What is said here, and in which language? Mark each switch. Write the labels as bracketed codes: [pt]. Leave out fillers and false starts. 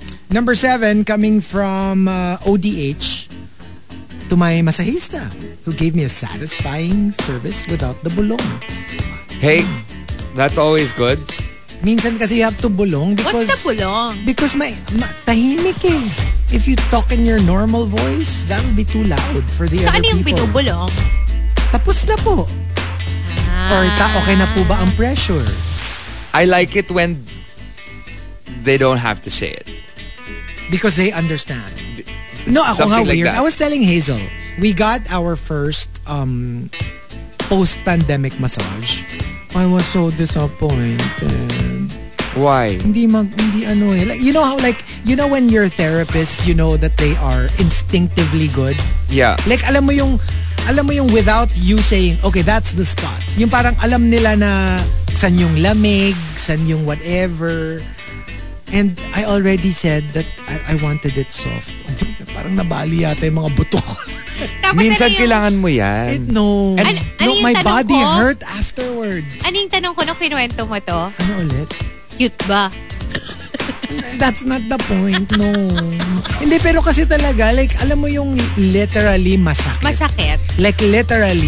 [en] Number 7, coming from ODH to my masahista, who gave me a satisfying service without the bulong. Hey, that's always good. [tl] Minsan kasi [en] you have to bulong because... What's the bulong? Because tahimik eh. If you talk in your normal voice, that'll be too loud for the other people. [tl] Saan yung binubulong? Tapos na po. Ah. Or okay na po ba ang pressure? [en] I like it when they don't have to say it. Because they understand. [tl] No, ako [en] something [tl] nga weird. [en] Like I was telling Hazel, we got our first post-pandemic massage. I was so disappointed. Why? You know when you're a therapist, you know that they are instinctively good? Yeah. Like, [tl] alam mo yung [en] without you saying, okay, that's the spot. [tl] Yung parang alam nila na san yung lamig, san yung whatever. [en] And I already said that I wanted it soft. [tl] Parang nabali yata yung mga buto ko. Minsan kailangan mo yan. [en] My body hurt afterwards. [tl] Ano yung tanong ko nung kinuwento mo to? Ano ulit? Cute ba? [en] That's not the point, no. [tl] Hindi, pero kasi talaga, like, alam mo yung literally masakit. Masakit. [en] Like, literally.